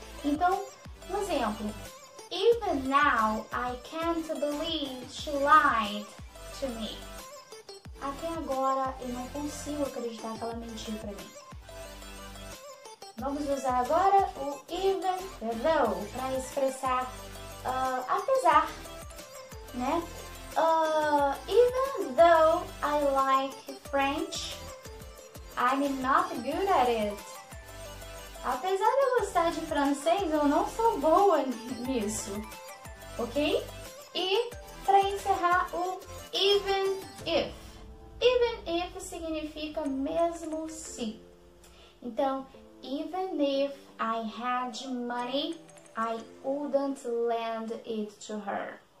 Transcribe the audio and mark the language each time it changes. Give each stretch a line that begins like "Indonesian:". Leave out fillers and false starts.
Portuguese: Então, um exemplo.
English: Even now, I can't believe she lied to me.
Portuguese: Até agora, eu não consigo acreditar que ela mentiu para mim. Vamos usar agora o even though para expressar apesar, né?
English: Even though I like French, I'm not good at it.
Portuguese: Apesar de eu gostar de francês, eu não sou boa nisso, ok? E para encerrar o even if.
English: Even if
Portuguese: significa mesmo se. Então,
English: even if I had money, I wouldn't lend it to her.